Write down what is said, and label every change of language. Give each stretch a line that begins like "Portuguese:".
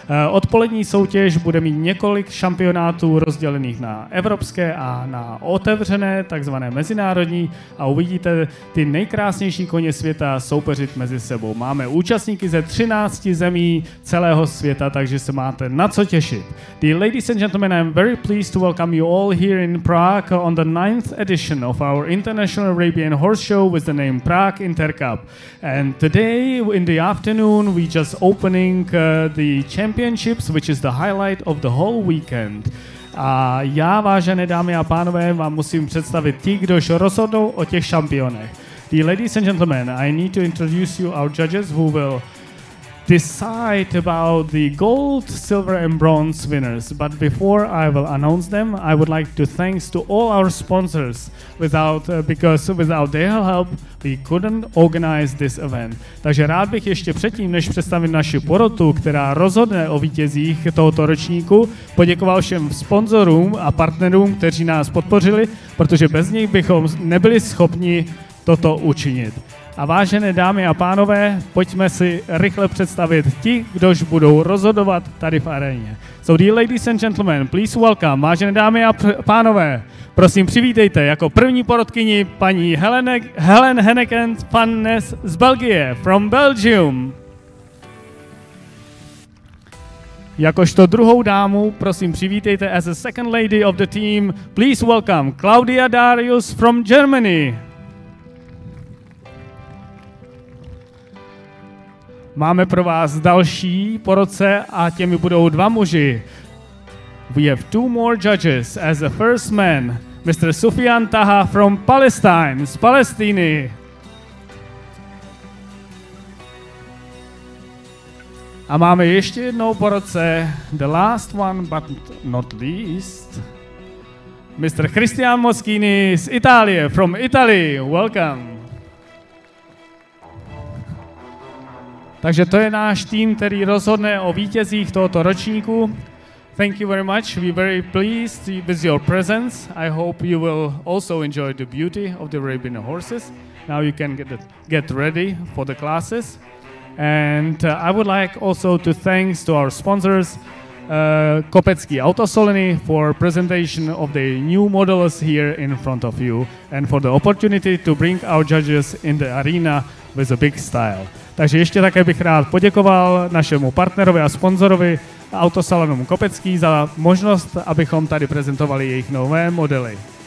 Czech: Odpolední soutěž bude mít několik šampionátů rozdělených na evropské a na otevřené, takzvané mezinárodní, a uvidíte ty nejkrásnější koně světa soupeřit mezi sebou. Máme účastníky ze 13 zemí celého světa, takže se máte na co těšit.
English: The ladies and gentlemen, I'm very pleased to welcome you all here in Prague on the 9th edition of our International Arabian Horse Show with the name Prague Intercup. And today in the afternoon we just opening the championships, which is the highlight of the whole weekend.
Czech: A já, vážené dámy a pánové, vám musím představit ty, kdož rozhodnou o těch šampionech.
English: The ladies and gentlemen, I need to introduce you our judges who will decide about the gold, silver and bronze winners. But before I will announce them, I would like to thanks to all our sponsors because without their help we couldn't organize this event.
Czech: Takže rád bych ještě předtím, než představím naši porotu, která rozhodne o vítězích tohoto ročníku, poděkoval všem sponzorům a partnerům, kteří nás podpořili, protože bez nich bychom nebyli schopni toto učinit. A vážené dámy a pánové, pojďme si rychle představit ti, kdož budou rozhodovat tady v aréně.
English: So dear ladies and gentlemen, please welcome,
Czech: vážené dámy a pánové, prosím přivítejte jako první porotkyni paní Helen Henneken van Nes z Belgie,
English: from Belgium.
Czech: Jakožto druhou dámu, prosím přivítejte
English: as a second lady of the team, please welcome Claudia Darius from Germany.
Czech: Máme pro vás další porotce a těmi budou dva muži.
English: We have two more judges as the first man, Mr. Sufian Taha from Palestine,
Czech: z Palestiny. A máme ještě jednou porotce,
English: the last one but not least, Mr. Christian Moschini
Czech: z Itálie,
English: from Italy, welcome.
Czech: Takže to je náš tým, který rozhodne o vítězích tohoto ročníku.
English: Thank you very much. We're very pleased with your presence. I hope you will also enjoy the beauty of the Arabian horses. Now you can get ready for the classes. And I would like also to thanks to our sponsors, Kopecký Autosolony, for presentation of the new models here in front of you and for the opportunity to bring our judges in the arena with a big style.
Czech: Takže ještě také bych rád poděkoval našemu partnerovi a sponzorovi Autosalonům Kopecký za možnost, abychom tady prezentovali jejich nové modely.